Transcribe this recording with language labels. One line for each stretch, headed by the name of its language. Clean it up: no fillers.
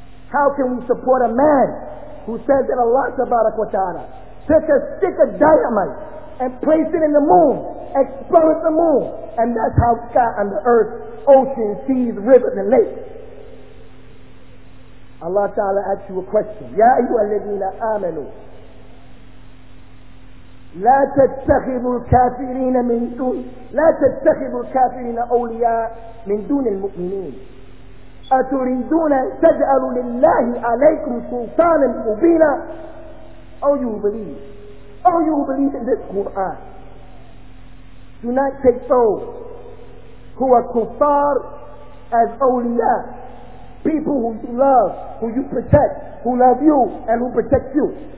English: How can we support a man who says that Allah subhanahu wa ta'ala took a stick of dynamite and placed it in the moon, exploded the moon, and that's how it got on the earth, oceans, seas, rivers, and lakes? Allah ta'ala asks you a question.
Arabic: Ya ayyuha alladhina amanu, لا تتخذوا الكافرين من دون لا تتخذوا الكافرين أولياء من دون المؤمنين أتريدون أن تجعلوا لله عليكم سلطانا مبينا.
English: Oh you believe in this Quran, do not take those who are kuffar as awliya, people who you love, who you protect, who love you and who protect you.